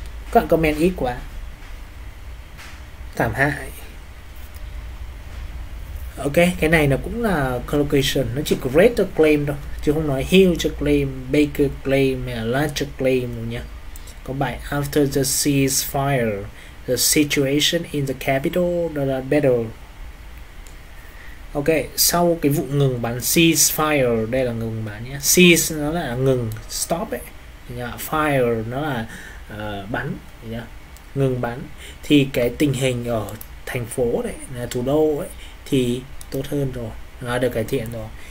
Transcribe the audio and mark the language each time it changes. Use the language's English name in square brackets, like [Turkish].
[Vietnamese] Cận comment ít quá. Cảm hại. Ok, cái này nó cũng là collocation, nó chỉ có greater claim thôi, chứ không nói huge claim, bigger claim, larger claim nha. Có bài [English] after the ceasefire, the situation in the capital that are better. [Vietnamese] Ok, sau cái vụ ngừng bắn ceasefire, đây là ngừng bắn nhé. Cease nó là ngừng, stop ấy. Fire nó là bắn nhá. Ngừng bắn thì cái tình hình ở thành phố đấy, là thủ đô ấy thì tốt hơn rồi, nó được cải thiện rồi.